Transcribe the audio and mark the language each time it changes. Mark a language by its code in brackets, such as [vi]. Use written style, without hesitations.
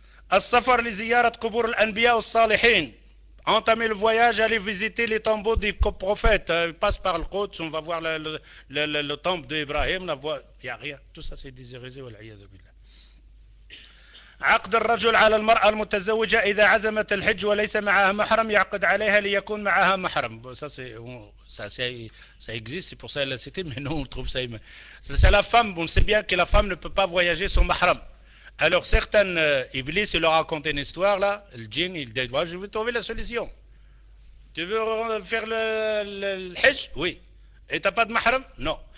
[ar] Al-safar li ziyarat qubur al-anbiya al-salihin. [fr] Entamer le voyage, aller visiter les tombeaux des prophètes. Ils passent par le Quds, on va voir le temple d'Ibrahim. Il n'y a rien. Tout ça, c'est des hérésies. [ar] Wal-iyadu billah. عقد الرجل على المرأة المتزوجة إذا عزمت الحج وليس معها محرم يعقد عليها ليكون معها محرم. [fr] Ça existe, c'est pour ça la cité, mais nous on trouve ça. C'est la femme, on sait bien que la femme ne peut pas voyager sans mahram. Alors certains iblis, ils leur racontent une histoire là, le djinn, il dit, je vais trouver la solution. Tu veux faire le hajj? Oui. Et tu n'as pas de mahram? Non.